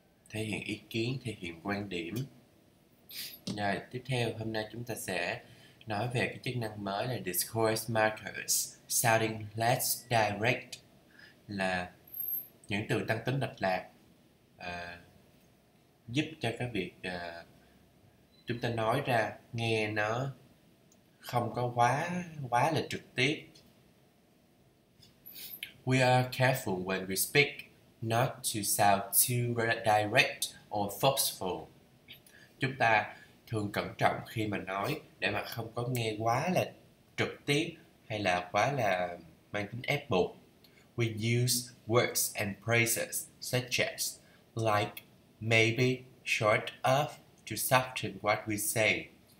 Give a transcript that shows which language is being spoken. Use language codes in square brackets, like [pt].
[vi] Thể hiện ý kiến, thể hiện quan điểm. Rồi tiếp theo, hôm nay chúng ta sẽ nói về cái chức năng mới là [en] discourse markers, sounding less direct, [vi] là những từ tăng tính lệch lạc giúp cho cái việc chúng ta nói ra nghe nó không có quá là trực tiếp. [en] We are careful when we speak not to sound too direct or forceful. [vi] Chúng ta thường cẩn trọng khi mà nói để mà không có nghe quá là trực tiếp hay là quá là mang tính ép buộc. [en] We use words and phrases such as like, maybe, short of, to soften what we say.